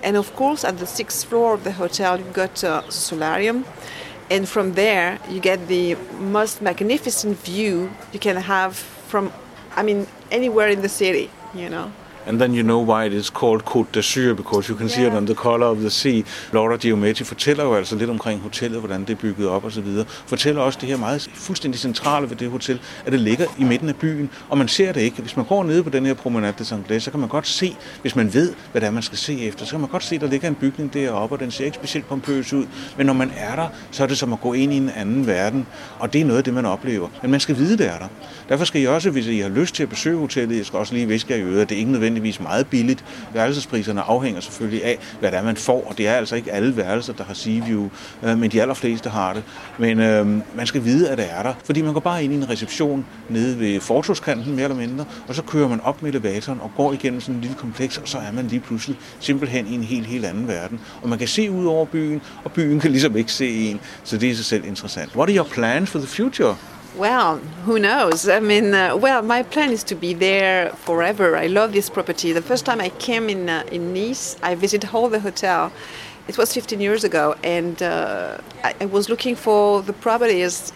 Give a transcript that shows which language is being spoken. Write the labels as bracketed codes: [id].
[en] And of course, at the sixth floor of the hotel, you've got a solarium. And from there, you get the most magnificent view you can have from, I mean, anywhere in the city, you know. And then you know why it is called Côte d'Azur, because you can see it on the color of the sea. [da] Laura Diometti fortæller jo altså lidt omkring hotellet, hvordan det er bygget op og så videre. Fortæller også det her meget fuldstændig centrale ved det hotel, at det ligger i midten af byen, og man ser det ikke. Hvis man går ned på den her Promenade des Anglais, så kan man godt se, hvis man ved, hvad det er, man skal se efter, så kan man godt se, at der ligger en bygning deroppe, og den ser ikke specielt pompøs ud. Men når man er der, så er det som at gå ind i en anden verden, og det er noget af det, man oplever. Men man skal vide, det er der. Derfor skal I også, hvis I har lyst til at besøge hotellet, I skal også lige viske jer i øret, at det er ikke nødvendigvis meget billigt. Værelsespriserne afhænger selvfølgelig af, hvad det er, man får, og det er altså ikke alle værelser, der har sea view, men de allerfleste har det. Men man skal vide, at det er der, fordi man går bare ind i en reception nede ved fortovskanten, mere eller mindre, og så kører man op med elevatoren og går igennem sådan en lille kompleks, og så er man lige pludselig simpelthen i en helt, helt anden verden. Og man kan se ud over byen, og byen kan ligesom ikke se en, så det er i sig selv interessant. [en] What are your plans for the future? Well, who knows? I mean, well, my plan is to be there forever. I love this property. The first time I came in Nice, I visited all the hotel. It was 15 years ago, and I was looking for the properties.